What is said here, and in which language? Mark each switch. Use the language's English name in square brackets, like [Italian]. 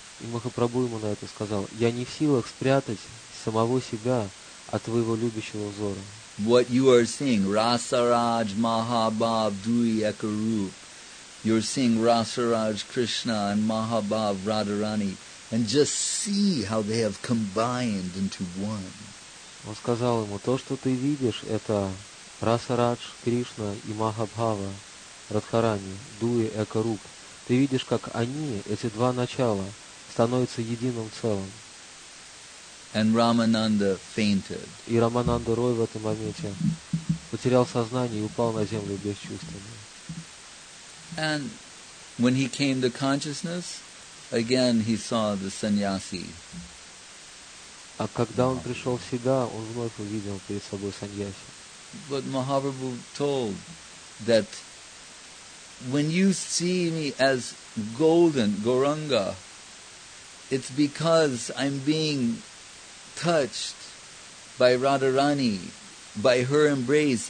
[Russian] И Махапрабху ему на это сказал, я не в силах спрятать самого себя от твоего любящего взора. [English] What you are seeing, Rasaraj Mahabhav Dui Ekarup. You're seeing Rasaraj Krishna and Mahabhav Radharani. And just see how they have combined into one. [Russian] Он сказал ему, то, что ты видишь, это Rasaraj Krishna и Mahabhava Radharani, Dui Ekarup. Ты видишь, как они, эти два начала, становятся единым целым. [English] And Ramananda fainted. [Russian] И Рамананда Рой в этом моменте потерял сознание и упал на землю бесчувственный. [English] And When he came to consciousness, again he saw the sannyasi. [Russian] А когда он пришел в себя, он вновь увидел перед собой саньяси. [English] But Mahaprabhu told that when you see me as golden Gauranga, it's because I'm being touched by Radharani, by her embrace.